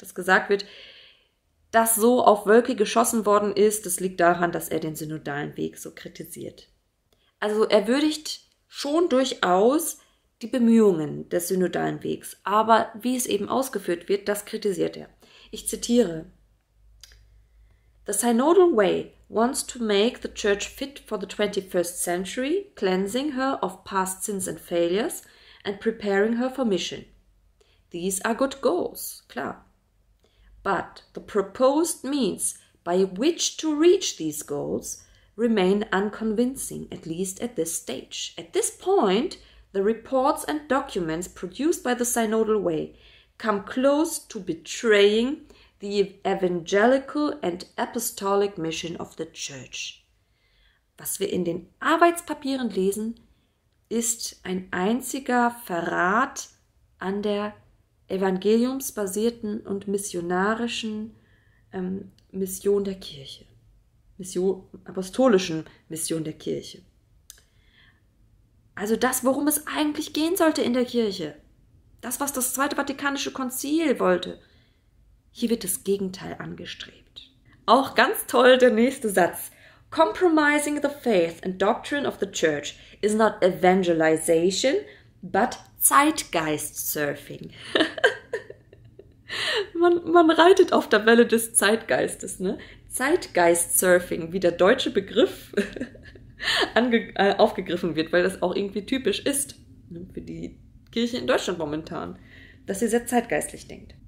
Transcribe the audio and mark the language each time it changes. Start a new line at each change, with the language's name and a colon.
German: Dass gesagt wird, dass so auf Wölki geschossen worden ist, das liegt daran, dass er den synodalen Weg so kritisiert. Also er würdigt schon durchaus die Bemühungen des synodalen Wegs. Aber wie es eben ausgeführt wird, das kritisiert er. Ich zitiere,
English: The Synodal Way wants to make the Church fit for the 21st century, cleansing her of past sins and failures and preparing her for mission. These are good goals, klar. But the proposed means by which to reach these goals remain unconvincing, at least at this stage. At this point, the reports and documents produced by the Synodal Way come close to betraying the evangelical and apostolic mission of the Church.
German: Was wir in den Arbeitspapieren lesen, ist ein einziger Verrat an der evangeliumsbasierten und missionarischen Mission der Kirche. Apostolischen Mission der Kirche. Also das, worum es eigentlich gehen sollte in der Kirche. Das, was das Zweite Vatikanische Konzil wollte. Hier wird das Gegenteil angestrebt. Auch ganz toll der nächste Satz.
English: Compromising the faith and doctrine of the church is not evangelization, but Zeitgeist surfing.
German: Man reitet auf der Welle des Zeitgeistes, ne? Zeitgeist surfing, wie der deutsche Begriff aufgegriffen wird, weil das auch irgendwie typisch ist, ne, für die Kirche in Deutschland momentan, dass sie sehr zeitgeistlich denkt.